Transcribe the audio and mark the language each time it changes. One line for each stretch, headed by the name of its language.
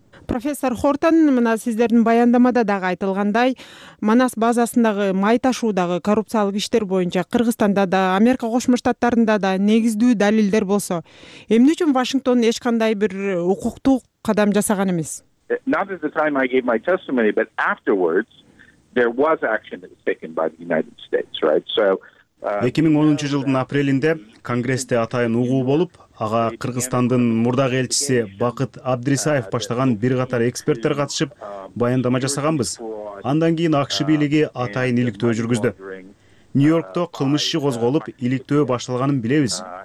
Kyrgyz: Профессор Хортон, мына сиздердин баяндамада дагы айтылгандай, Манас базасындагы май ташуудагы коррупциялык иштер боюнча Кыргызстанда да, Америка Кошмо Штаттарында да негиздүү далилдер болсо, эмне үчүн Вашингтон эч кандай бир укуктуу кадам жасаган эмес?
English: Not at the time I gave my testimony, but afterwards there was action that was taken by the United States, right? So
Kyrgyz: 2010 жылдын апрелинде Конгрессте атайын угуу болуп, ага Кыргызстандын мурдагы элчиси Бакыт Абдрисаев баштаган бир катар эксперттер катышып баяндама жасаганбыз. Андан кийин АКШ бийлиги атайын иликтөө жүргүздү. Нью-Йоркто кылмыш иши козголуп, иликтөө башталганын билебиз.